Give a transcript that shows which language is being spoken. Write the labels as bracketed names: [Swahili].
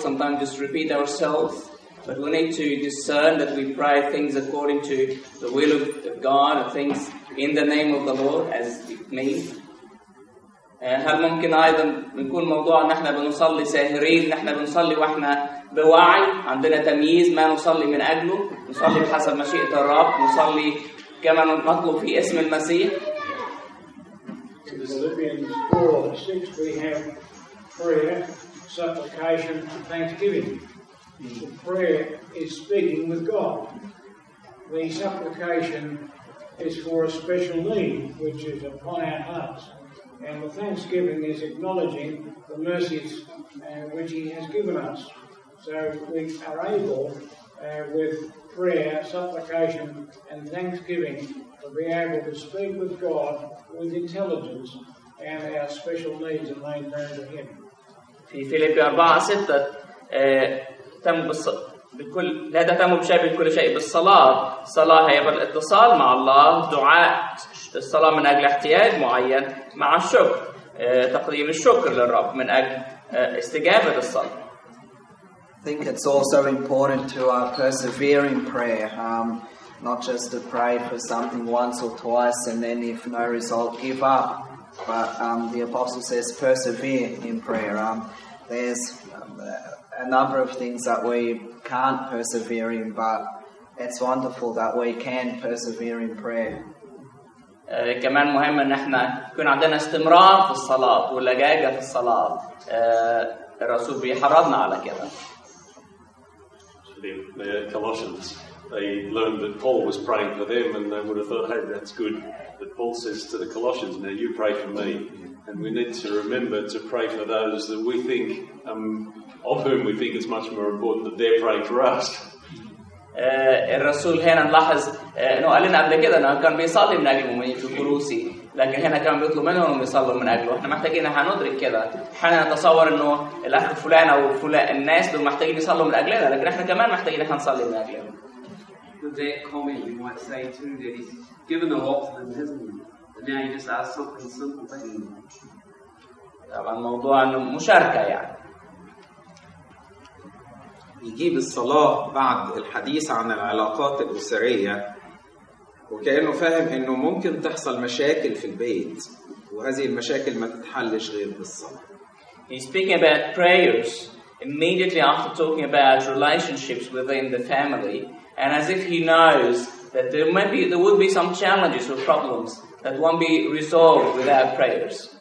[English] Sometimes just repeat ourselves. But we need to discern that we pray things according to the will of God, and things in the name of the Lord, as it means. [Arabic] هل ممكن أيضا نكون موضوع أن احنا بنصلي ساهرين, أن احنا بنصلي وإحنا بوعي, عندنا تمييز ما نصلي من أجله, نصلي بحسب مشيئة الرب, نصلي كما نطلب في اسم المسيح. [English] In Philippians 4:6 we have prayer, supplication, and thanksgiving. So prayer is speaking with God. The supplication is for a special need, which is upon our hearts. And the thanksgiving is acknowledging the mercies which He has given us. So we are able, with prayer, supplication, and thanksgiving, to be able to speak with God with intelligence and our special needs are made known to Him. [Arabic] في فيليب 4:6 تم بكل لا تتم بشبه كل شيء بالصلاة. صلاة هي بالاتصال مع الله, دعاء الصلاة من أجل احتياج معين مع الشكر, تقديم الشكر للرب من أجل استجابة الصلاة. [English] I think it's also important to our persevering prayer, not just to pray for something once or twice and then if no result give up, but the apostle says persevere in prayer. There's a number of things that we can't persevere in, but it's wonderful that we can persevere in prayer. [Arabic] كمان مهم ان احنا يكون عندنا استمرار في الصلاة واللجاجة في الصلاة. الرسول بيحرضنا على كده. [English] The Colossians, they learned that Paul was praying for them and they would have thought, hey, that's good. But Paul says to the Colossians, now you pray for me. And we need to remember to pray for those that we think, of whom we think it's much more important that they're praying for us. [Arabic] الرسول هنا نلاحظ انه قال لنا قبل كده انه كان بيصلي من اجلهم في الكروسي, لكن هنا كان بيطلب منهم يصلوا من اجله. احنا محتاجين احنا ندرك كده, احنا نتصور انه الاخ فلان او فلان الناس دول محتاجين يصلوا من اجلنا, لكن احنا كمان محتاجين احنا نصلي من اجلهم. [English] The comment you might say too that he's given a lot to them, hasn't he? And now you just ask something simple, but you [Arabic] طبعا الموضوع انه مشاركه يعني. يجيب الصلاه بعد الحديث عن العلاقات الاسريه وكانه فاهم انه ممكن تحصل مشاكل في البيت وهذه المشاكل ما تتحلش غير بالصلاه. [English] He's speaking about prayers immediately after talking about relationships within the family. And as if he knows that there would be some challenges or problems that won't be resolved without prayers.